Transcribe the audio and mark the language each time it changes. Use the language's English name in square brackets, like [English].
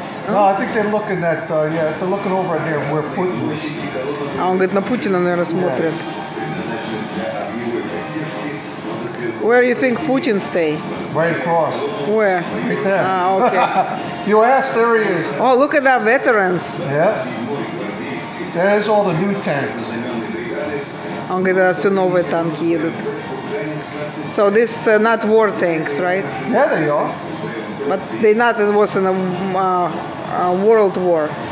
[English] No, I think they're looking at, yeah, they're looking over here where Putin is. [Russian] А он говорит, на Путина, наверное, смотрят. [English] Yeah. Where do you think Putin stay? Right across. Where? Right there. Ah, okay. You asked, there he is. Oh, look at that veterans. Yeah. There's all the new tanks. [Russian] Он говорит, да, все новые танки едут. [English] So this not war tanks, right? Yeah, they are. But they not, it wasn't a world war.